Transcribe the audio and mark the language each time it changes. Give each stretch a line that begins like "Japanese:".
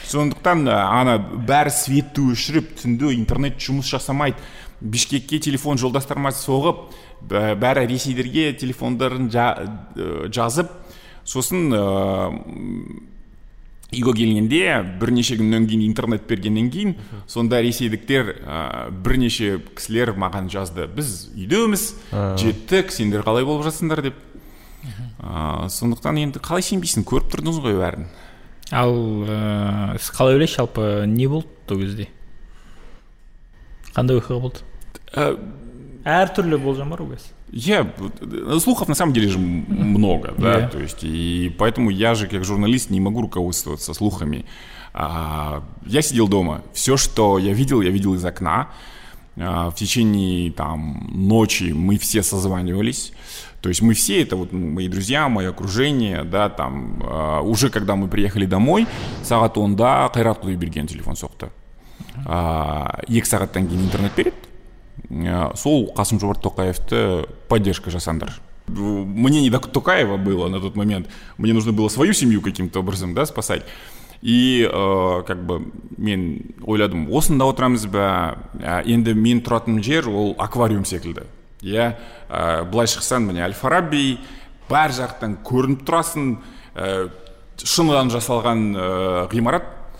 Kazakh: Сондықтан ана бәрі светті өшіріп түнде интернет жұмыс жасамайды, Бішкекке телефон жолдастарыма соғып бәрі ресейлерге телефондарын жазып, сосын үйге келгенде бірнеше күннен кейін интернет бергеннен кейін сонда ресейліктер бірнеше кісілер маған жазды, біз үйдеміз, жеттік, сендер қалай болып жатсыңдар деп. Сондықтан енді қалай сенбейсің, көріп тұрдыңыз ғой бәрін. Ал сіз қалай ойлайсыз, жалпы не болды ол кезде, қандай оқиға болды? Әртүрлі болжам бар ғой қазір.
Russian: Я слухов на самом деле же много, да, то есть, и поэтому я же как журналист не могу руководствоваться слухами. Я сидел дома, все, что я видел из окна. В течение там ночи мы все созванивались, то есть мы все, это вот мои друзья, мое окружение, да, там, уже когда мы приехали домой,
Kazakh: сағат онда Қайрат Құдайберген телефон соқты. Екі сағаттан кейін интернет берет. Сол Қасым-Жомарт Тоқаевты поддержка жасандыр.
Russian: Мне не до Тоқаева было на тот момент. Мне нужно было свою семью каким-то образом, да, спасать. И как бы
Kazakh: мен ойладым, осында отырамыз ба? Енді мен тұратын жер ол аквариум секілді. Иә, былай шықсан, міне Әл-Фараби, бар жақтан көрініп тұрасың, шыныдан жасалған ғимарат.